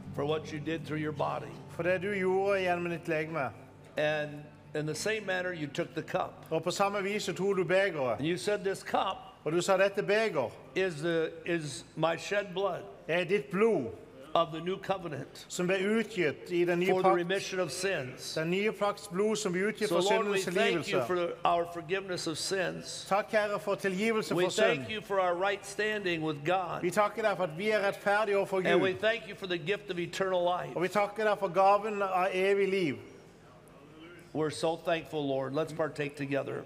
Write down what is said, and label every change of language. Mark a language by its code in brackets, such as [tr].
[en] For what you did through your body. [no] For det du gjorde gjennom ditt legeme. [en] And in the same manner you took the cup. [no] Og på samme vis tog du begeret. [en] And you said this cup. [no] Og du sa dette beger. [en] Is my shed blood. [no] Er ditt blod. [en] Of the new covenant. [no] Som ble utgitt I den nye pakt. [en] For the remission of sins. [no] Den nye pakts blod som ble utgitt for syndenes tilgivelse. [en] So Lord, we thank you for our forgiveness of sins. [no] Takk Herre for tilgivelse for synd. [en] We thank you for our right standing with God. [no] Vi takker deg for at vi rettferdige overfor Gud. [en] And we thank you for the gift of eternal life. [no] Og vi takker deg for gaven av evig liv. [en] We're so thankful, Lord. Let's partake together.